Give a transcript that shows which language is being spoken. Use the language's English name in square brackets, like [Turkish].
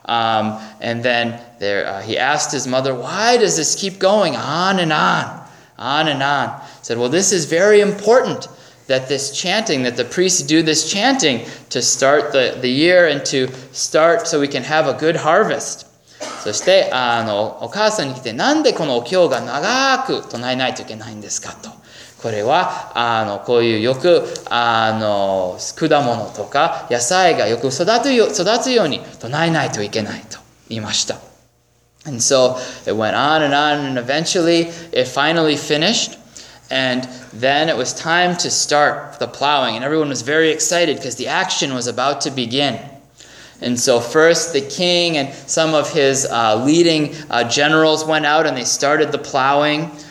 [English] And then there, he asked his mother, why does this keep going on and on, on and on? He said, well, this is very important that this chanting, that the priests do this chanting to start the year and to start so we can have a good harvest. [Japanese] そしてお母さんに来て、なんでこのお経が長く唱えないといけないんですかと。これはこういうよく果物とか野菜がよく育つように唱えないといけないと言いました。 [English] And so it went on and on, and eventually it finally finished. And then it was time to start the plowing. And everyone was very excited because the action was about to begin. And so first the king and some of his leading generals went out and they started the plowing.